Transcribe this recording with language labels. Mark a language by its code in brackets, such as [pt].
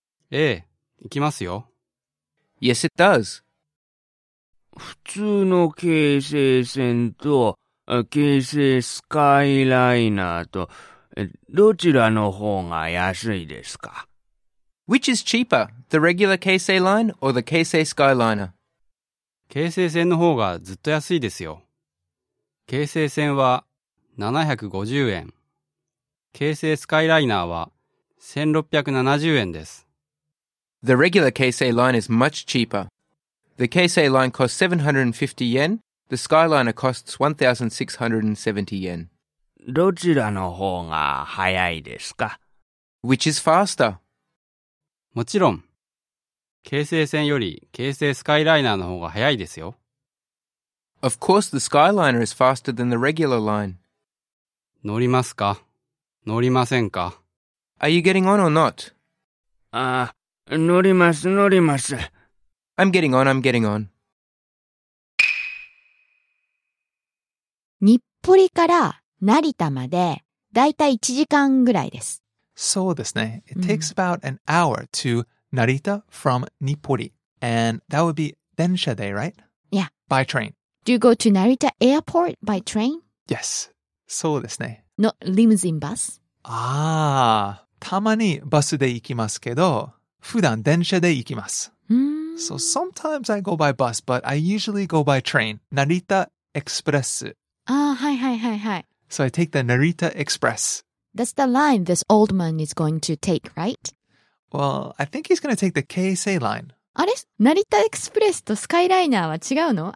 [ja] ええ、行きますよ。 [en] Yes, it does. [ja] 普通の京成線と京成スカイライナーとどちらの方が安いですか? [en] Which is cheaper, the regular Keisei line or the Keisei Skyliner? [ja] 京成線の方がずっと安いですよ。京成線は750円。京成スカイライナーは1670円です。 [en] The regular Keisei line is much cheaper. The Keisei line costs 750 yen. The Skyliner costs 1670 yen. [ja] どちらの方が早いですか? [en] Which is faster? [ja] もちろん、京成線より京成スカイライナーの方が早いですよ。 [en] Of course, the Skyliner is faster than the regular line. [ja] 乗りますか?乗りませんか? [en] Are you getting on or not? [ja] 乗ります、乗ります。 [en] I'm getting on, I'm getting on. [ja] 日暮里から成田までだいたい1時間ぐらいです。そうですね。 [en] It takes about an hour to Narita from Nippori. And that would be [ja] 電車で, [en] right? Yeah. By train. Do you go to Narita Airport by train? [ja] Yes. そうですね。 [en] No, limousine bus. [ja] Ah, たまにバスで行きますけど、普段電車で行きます。 [en] So sometimes I go by bus, but I usually go by train. Narita Express. Ah, hi, hi, hi, hi. So I take the Narita Express. That's the line this old man is going to take, right? Well, I think he's going to take the Keisei line. [ja] あれ? ナリタエクスプレスとスカイライナーは違うの?